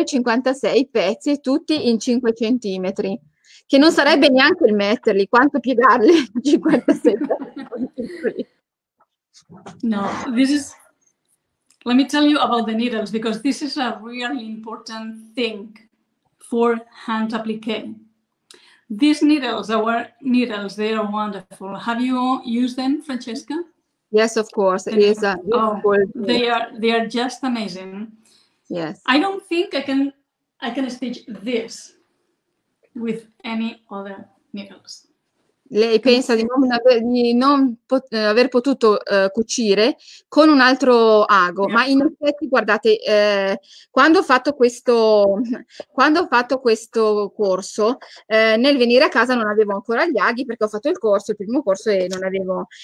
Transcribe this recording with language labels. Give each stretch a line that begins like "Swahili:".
Italian: e 56 pezzi, tutti in 5 centimetri, che non sarebbe neanche il metterli, quanto piegarli 56 pezzi.
English: No, this is, let me tell you about the needles, because this is a really important thing for hand applique. These needles, our needles, they are wonderful. Have you used them, Francesca? Yes, of course. It is a beautiful. They are just amazing. Yes. I don't think I can stitch this with any other needles.
Italian: Lei pensa di non aver potuto cucire con un altro ago, ma in effetti, guardate, quando ho fatto questo corso, nel venire a casa non avevo ancora gli aghi, perché ho fatto il primo corso e non avevo.